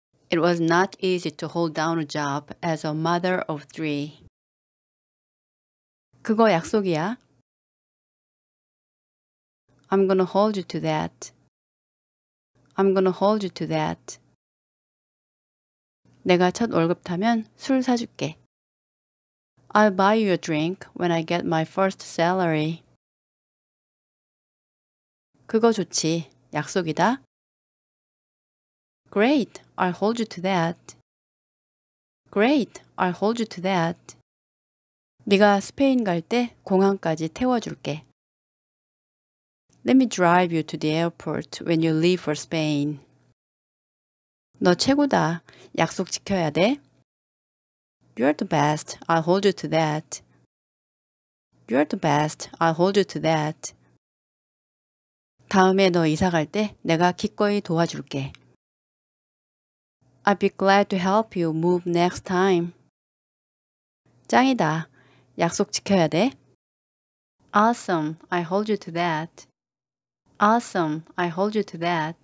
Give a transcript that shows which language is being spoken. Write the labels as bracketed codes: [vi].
[en] It was not easy to hold down a job as a mother of three. [ko] 그거 약속이야. [en] I'm gonna hold you to that. I'm gonna hold you to that. [ko] 내가 첫 월급 타면 술 사줄게. [en] I'll buy you a drink when I get my first salary. [ko] 그거 좋지. 약속이다. [en] Great, I'll hold you to that. Great, I'll hold you to that. [ko] 네가 스페인 갈 때 공항까지 태워줄게. [en] Let me drive you to the airport when you leave for Spain. [ko] 너 최고다. 약속 지켜야 돼. [en] You're the best, I'll hold you to that. You're the best, I'll hold you to that. [ko] 다음에 너 이사 갈 때 내가 기꺼이 도와줄게. [en] I'd be glad to help you move next time. [ko] 짱이다. 약속 지켜야 돼. [en] Awesome. I hold you to that. Awesome. I hold you to that.